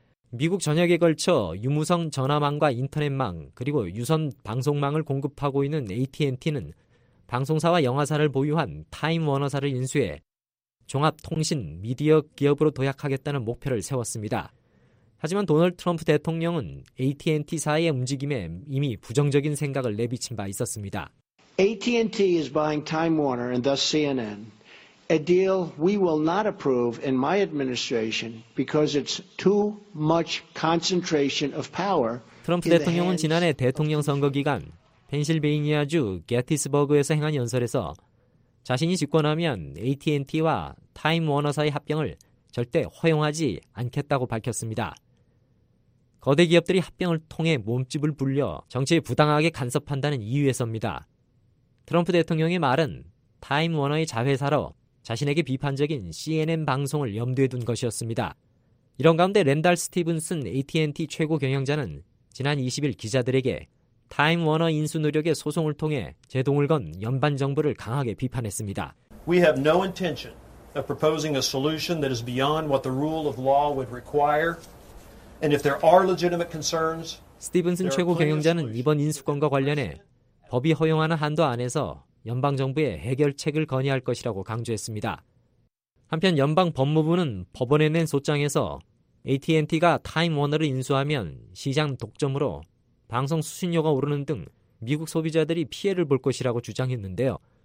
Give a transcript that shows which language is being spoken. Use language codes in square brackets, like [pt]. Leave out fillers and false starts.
[ko] 미국 전역에 걸쳐 유무선 전화망과 인터넷망 그리고 유선 방송망을 공급하고 있는 AT&T는 방송사와 영화사를 보유한 타임워너사를 인수해 종합통신 미디어 기업으로 도약하겠다는 목표를 세웠습니다. 하지만 도널드 트럼프 대통령은 AT&T사의 움직임에 이미 부정적인 생각을 내비친 바 있었습니다. [en] AT&T is buying Time Warner and thus CNN. A deal we will not approve in my administration because it's too much concentration of power. [ko] 트럼프 대통령은 지난해 대통령 선거 기간 펜실베이니아주 게티스버그에서 행한 연설에서 자신이 집권하면 AT&T와 타임 워너사의 합병을 절대 허용하지 않겠다고 밝혔습니다. 거대 기업들이 합병을 통해 몸집을 불려 정치에 부당하게 간섭한다는 이유에서입니다. 트럼프 대통령의 말은 타임 워너의 자회사로 자신에게 비판적인 CNN 방송을 염두에 둔 것이었습니다. 이런 가운데 랜달 스티븐슨 AT&T 최고 경영자는 지난 20일 기자들에게 타임 워너 인수 노력의 소송을 통해 제동을 건 연방 정부를 강하게 비판했습니다. [en] We have no intention of proposing a solution that is beyond what the rule of law would require. And if there are legitimate concerns, [ko] 스티븐슨 최고 경영자는 이번 인수권과 관련해 법이 허용하는 한도 안에서 연방정부에 해결책을 건의할 것이라고 강조했습니다. 한편 연방법무부는 법원에 낸 소장에서 AT&T가 타임워너를 인수하면 시장 독점으로 방송 수신료가 오르는 등 미국 소비자들이 피해를 볼 것이라고 주장했는데요.